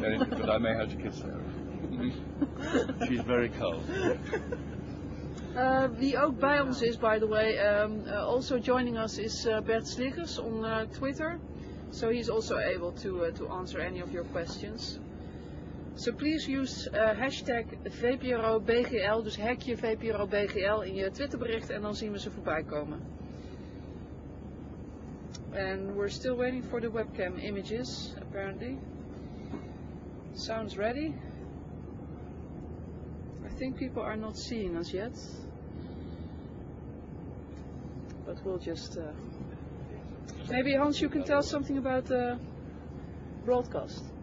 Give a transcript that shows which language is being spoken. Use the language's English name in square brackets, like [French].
[English] But I may have to kiss her. She's very cold. [Dutch] Wie ook bij ons is, [English] by the way, also joining us is Bert Sliggers on Twitter. So he's also able to answer any of your questions. So please use hashtag VPRO-BGL, [Dutch] dus hekje VPRO-BGL in je Twitterbericht en dan zien we ze voorbij komen. [English] And we're still waiting for the webcam images, apparently. Sounds ready. I think people are not seeing us yet. But we'll just... Maybe Hans, you can tell something about the broadcast.